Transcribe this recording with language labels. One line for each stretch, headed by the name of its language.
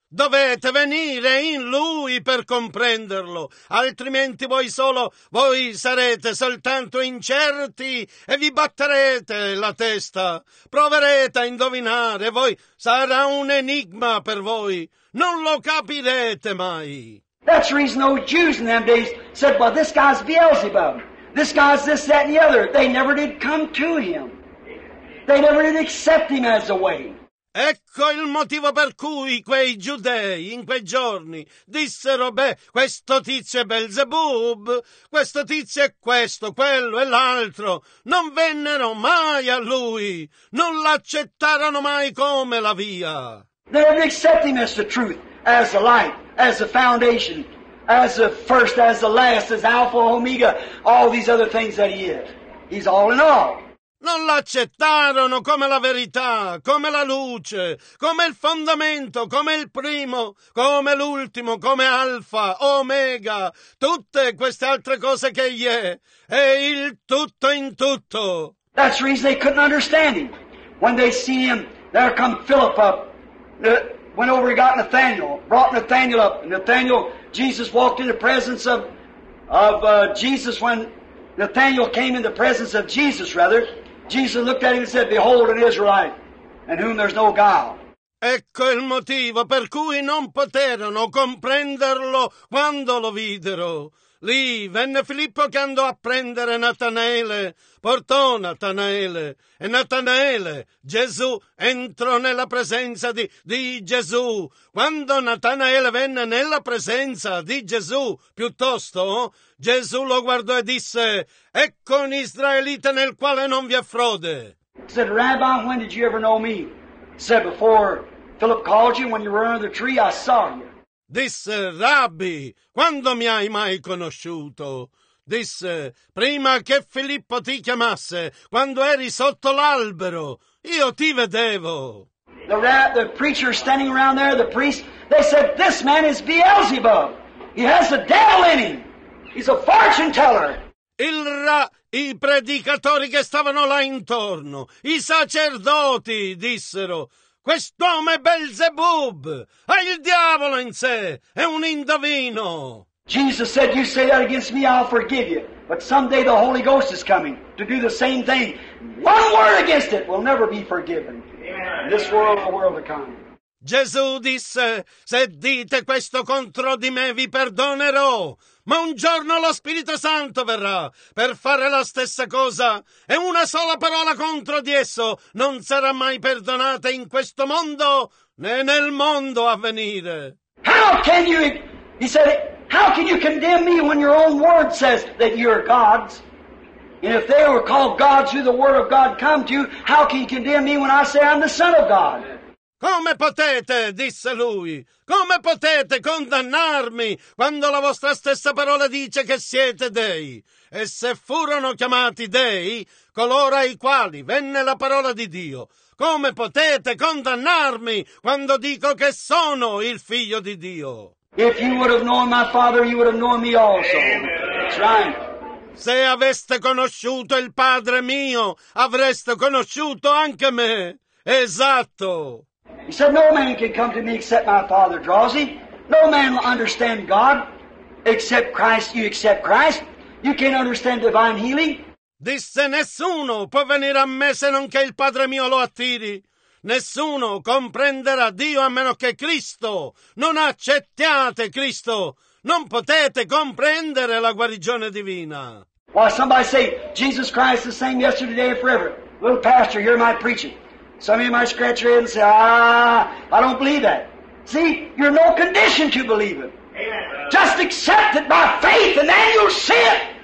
Italian: Dovete venire in lui per comprenderlo, altrimenti voi sarete soltanto incerti e vi batterete la testa. Proverete a indovinare, voi sarà un enigma per voi. Non lo capirete mai.
English: That's the reason those Jews in them days said, well, this guy's Beelzebub. This guy's this, that, and the other. They never did come to him. They never did accept him as a way.
Italian: Ecco il motivo per cui quei giudei in quei giorni dissero, questo tizio è Beelzebub, questo tizio è questo, quello e l'altro. Non vennero mai a lui. Non l'accettarono mai come la via.
English: They never accept him as the truth, as the light, as the foundation, as the first, as the last, as Alpha, Omega, all these other things that he is. He's all in all.
Italian: Non l'accettarono come la verità, come la luce, come il fondamento, come il primo, come l'ultimo, come Alfa, Omega, tutte queste altre cose che egli è il tutto in tutto.
English: That's the reason they couldn't understand him. When they see him, there come Philip up, went over and got Nathanael, brought Nathanael up. Nathanael, Jesus walked in the presence of Jesus when Nathanael came in the presence of Jesus, rather. Jesus looked at him and said, behold, an Israelite, in whom there's no guile.
Italian: Ecco il motivo per cui non poterono comprenderlo quando lo videro. Lì venne Filippo che andò a prendere Natanaele, portò Natanaele, e Natanaele, Gesù, entrò nella presenza di Gesù. Quando Natanaele venne nella presenza di Gesù, piuttosto, Gesù lo guardò e disse, ecco un israelita nel quale non vi è frode.
English: Said, Rabbi, when did you ever know me? Said, before Philip called you, when you were under the tree, I saw you.
Italian: Disse, Rabbi, quando mi hai mai conosciuto? Disse, prima che Filippo ti chiamasse, quando eri sotto l'albero, io ti vedevo.
English: The preacher standing around there, the priest, they said, this man is Beelzebub. He has the devil in him. He's a fortune teller.
Italian: I predicatori che stavano là intorno, i sacerdoti, dissero, quest'uomo è Beelzebub, ha il diavolo in sé, è un indovino.
English: Jesus said, you say that against me, I'll forgive you. But someday the Holy Ghost is coming to do the same thing. One word against it will never be forgiven. In this world, the world to come.
Italian: Gesù disse, se dite questo contro di me, vi perdonerò. Ma un giorno lo Spirito Santo verrà per fare la stessa cosa e una sola parola contro di esso non sarà mai perdonata in questo mondo né nel mondo a venire.
English: How can you... He said, How can you condemn me when your own word says that you're God's? And if they were called gods who the word of God come to you, how can you condemn me when I say I'm the son of God?
Italian: Come potete, disse lui, come potete condannarmi quando la vostra stessa parola dice che siete dei? E se furono chiamati dei, coloro ai quali venne la parola di Dio, come potete condannarmi quando dico che sono il figlio di Dio?
English: If you would have known my father, you would have known me also. That's right.
Italian: Se aveste conosciuto il padre mio, avreste conosciuto anche me. Esatto.
English: He said, no man can come to me except my father draws him. No man will understand God except Christ. You accept Christ. You can't understand divine healing.
Italian: Disse, nessuno può venire a me se non che il padre mio lo attiri. Nessuno comprenderà Dio a meno che Cristo. Non accettiate Cristo. Non potete comprendere la guarigione divina.
English: Why, somebody say, Jesus Christ is the same yesterday and forever. Little pastor, hear my preaching. Some of you might scratch your head and say, I don't believe that. See, you're in no condition to believe it. Amen. Just accept it by faith and then you'll see it.